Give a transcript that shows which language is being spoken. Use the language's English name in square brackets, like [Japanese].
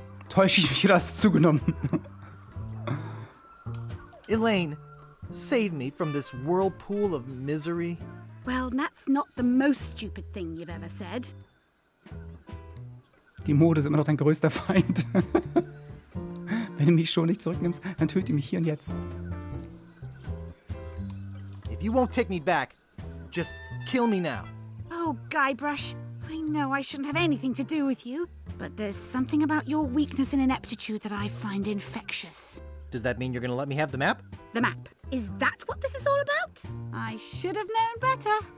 [German] Täusche ich mich, oder hast du zugenommen? [English] Elaine, save me from this whirlpool of misery. Well, that's not the most stupid thing you've ever said. [German] Die Mode ist immer noch dein größter Feind. Wenn du mich schon nicht zurücknimmst, dann töte mich hier und jetzt. [English] If you won't take me back, just kill me now. Oh, Guybrush, I know I shouldn't have anything to do with you, but there's something about your weakness and ineptitude that I find infectious. Does that mean you're going to let me have the map? The map? Is that what this is all about? I should have known better.